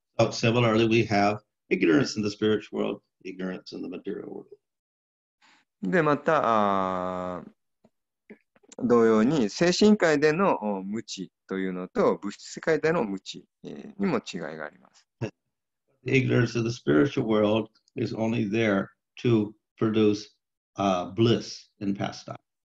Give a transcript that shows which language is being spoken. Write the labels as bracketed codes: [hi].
[en] Similarly, we have ignorance in the spiritual world, ignorance in the material world. [ja] で、また、同様に精神界での無知というのと物質世界での無知にも違いがあります。 [en] Ignorance of the spiritual world is only there to produce bliss in pastime.